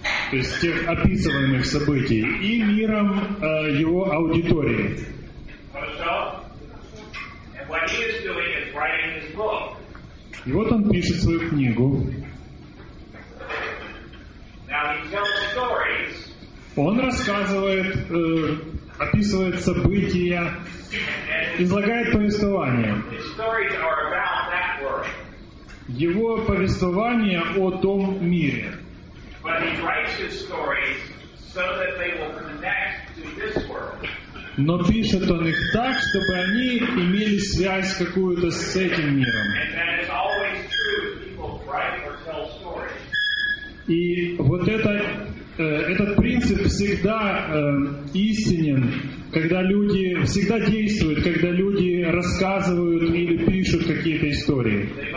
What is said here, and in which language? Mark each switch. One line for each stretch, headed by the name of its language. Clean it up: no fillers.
Russian: То есть тех описываемых событий. И миром его аудитории.
English: And what he is doing is writing his book.
Russian: И вот он пишет свою книгу.
English: Now he tells stories.
Russian: Он рассказывает, описывает события, излагает повествование.
English: His stories are about that world.
Russian: Его повествование о том мире.
English: But he writes his stories so that they will connect to this world.
Russian: Но пишет он их так, чтобы они имели связь какую-то с этим миром. И вот этот принцип всегда истинен, когда люди всегда действуют, когда люди рассказывают или пишут какие-то истории.